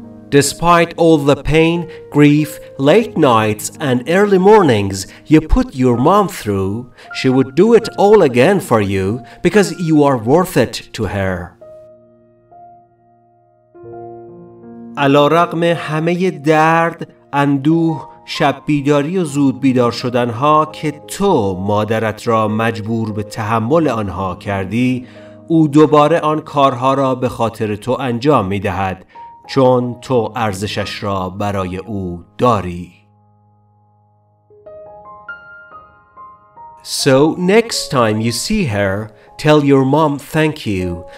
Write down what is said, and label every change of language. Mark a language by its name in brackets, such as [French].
[English] Despite all the pain, grief, late nights and early mornings you put your mom through, she would do it all again for you because you are worth it to her. [Persian] علی‌رغم همه درد، اندوه، شب بیداری و زود بیدار شدنها که تو مادرت را مجبور به تحمل آنها کردی، او دوباره آن کارها را به خاطر تو انجام می دهد چون تو ارزشش را برای او داری. [English] So next time you see her, tell your mom thank you.